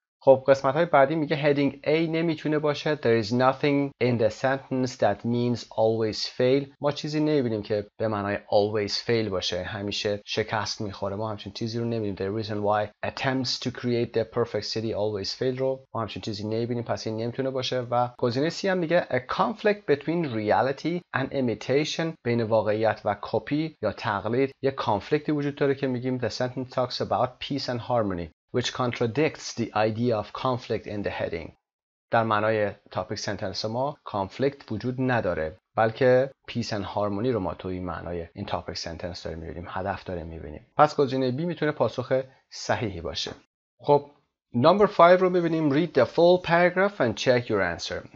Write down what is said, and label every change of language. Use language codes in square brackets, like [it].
[fa] خب قسمت های بعدی میگه heading A نمیتونه باشه. [en] There is nothing in the sentence that means always fail. [fa] ما چیزی نمیبینیم که به معنای [en] always fail [fa] باشه. همیشه شکست میخوره. ما همچین چیزی رو نمیبینیم. [en] The reason why attempts to create the perfect city always fail [fa] رو ما همچین چیزی نمیبینیم. پس این نمیتونه باشه. و گزینه C هم میگه [en] a conflict between reality and imitation [fa] بین واقعیت و کپی یا تقلید. یه کانفلیکتی وجود داره که میگیم [en] the sentence talks about peace and harmony. Which contradicts the idea of conflict in the heading. [fa] در معنای topic sentence ما conflict وجود نداره بلکه [en] peace and harmony [fa] رو ما توی معنای این topic sentence داریم میبینیم هدف داریم میبینیم. پس گزینه B میتونه پاسخ صحیحی باشه. خب [en] number 5 [fa] رو میبینیم [en] read the full paragraph and check your answer.